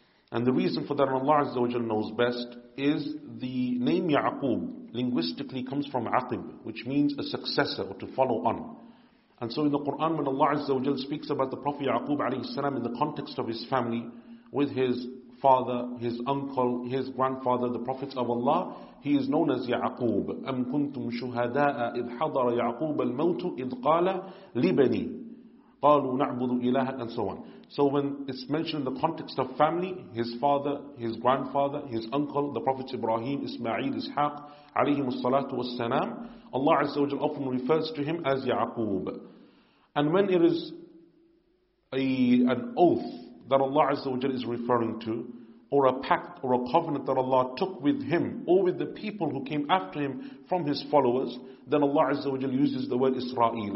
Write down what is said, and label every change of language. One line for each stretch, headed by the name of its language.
English: And the reason for that, Allah Azza wa Jalla knows best, is the name Ya'qub linguistically comes from Aqib, which means a successor or to follow on. And so in the Quran, when Allah Azza wa Jalla speaks about the Prophet Ya'qub alayhi salam in the context of his family, with his father, his uncle, his grandfather, the prophets of Allah, he is known as Ya'qub.
Arabic: أَمْ كُنْتُمْ شُهَدَاءَ إِذْ حَضَرَ يَعْقُوبَ الْمَوْتُ إِذْ قَالَ لِبَنِي قَالُوا نَعْبُدُ إِلَهَا, and so on.
English: So when it's mentioned in the context of family, his father, his grandfather, his uncle, the prophets Ibrahim, Ismail, Ishaq, عليهم الصلاة والسلام, Allah Azza wa Jalla often refers to him as Ya'qub. And when it is an oath that Allah Azza wa Jalla is referring to, or a pact or a covenant that Allah took with him or with the people who came after him from his followers, then Allah Azza wa Jalla uses the word Israel.